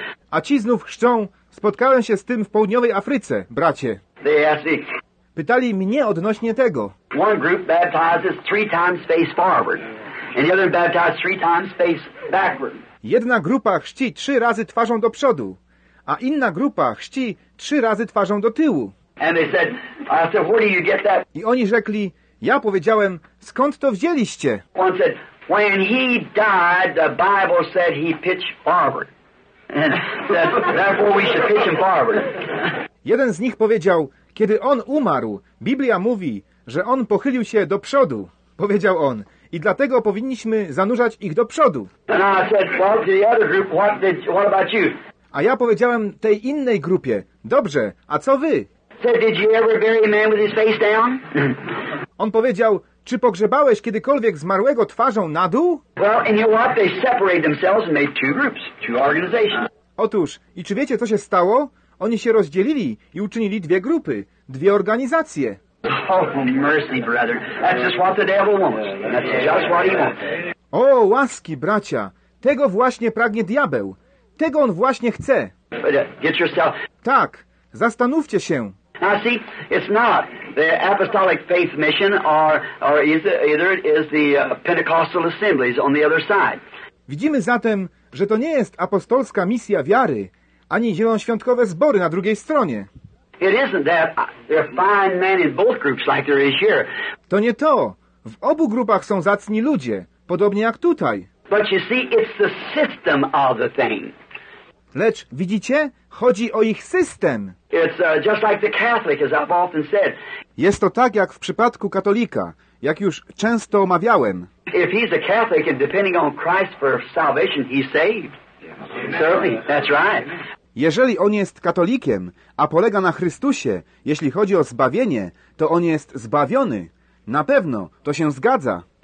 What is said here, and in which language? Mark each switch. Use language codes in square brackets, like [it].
[pl] A ci znów chrzczą, spotkałem się z tym w południowej Afryce, bracie. Pytali mnie odnośnie tego. [en] One group baptizes three times face forward, and the other baptizes three times face backward. [pl] Jedna grupa chrzci trzy razy twarzą do przodu, a inna grupa chrzci trzy razy twarzą do tyłu. [en] And they said, I said, where do you get that? [pl] I oni rzekli, ja powiedziałem, skąd to wzięliście? [en] One said, when he died, the Bible said he pitched forward. And that, therefore we should pitch him forward. [pl] Jeden z nich powiedział, kiedy on umarł, Biblia mówi, że on pochylił się do przodu, powiedział on. I dlatego powinniśmy zanurzać ich do przodu. [en] And I said, well, to the other group, what about you? [pl] A ja powiedziałem tej innej grupie, dobrze, a co wy? [en] Said, did you ever bury a man with his face down? [pl] On powiedział, czy pogrzebałeś kiedykolwiek zmarłego twarzą na dół? [en] Well, and you know what? They separated themselves and made two groups, two organizations. [pl] Otóż, i czy wiecie, co się stało? Oni się rozdzielili i uczynili dwie grupy, dwie organizacje. [en] Oh, mercy, brother. That's just what the devil wants. That's just what he wants. [pl] O, łaski, bracia. Tego właśnie pragnie diabeł. Tego on właśnie chce. [en] Get yourself. [pl] Tak, zastanówcie się. [en] Now see, it's not the apostolic faith mission or either it is the Pentecostal assemblies on the other side. [pl] Widzimy zatem, że to nie jest apostolska misja wiary, ani zielonoświątkowe zbory na drugiej stronie. [en] It isn't that there are fine men in both groups like there is here. [pl] To nie to. W obu grupach są zacni ludzie, podobnie jak tutaj. [en] But you see, it's the system of the thing. [pl] Lecz widzicie, chodzi o ich system. [en] It's just like the Catholic, as I've often said. [pl] Jest to tak jak w przypadku katolika, jak już często omawiałem. [en] If he's a Catholic and depending on Christ for salvation, he's saved. Certainly, that's right. [pl] Jeżeli on jest katolikiem, a polega na Chrystusie, jeśli chodzi o zbawienie, to on jest zbawiony. Na pewno, to się zgadza.